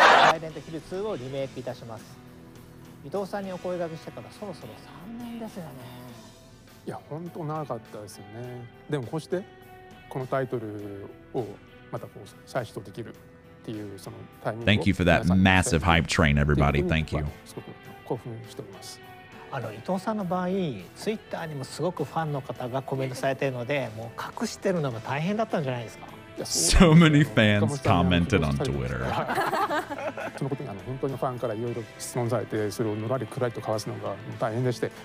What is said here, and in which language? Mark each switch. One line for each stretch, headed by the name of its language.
Japanese: サイレントヒル2をリメイクいたします。伊藤さんにお声掛けしてからそろそろ3年ですよね。いや、本当長かったですよね。でもこうしてこのタイトルをまたこう再始動できるっていうそのタイミングを。
English: Thank you for that massive hype train, everybody. Thank you.
Japanese: すごく興奮しております。あの伊藤さんの場合、ツイッターにもすごくファンの方がコメントされているので、もう隠してるのも大変だったんじゃないですか。
English: So many fans commented on Twitter.
Japanese: そのことに本当にファンからいろいろ質問されて、それをのらりくらりとかわすのが大変でして、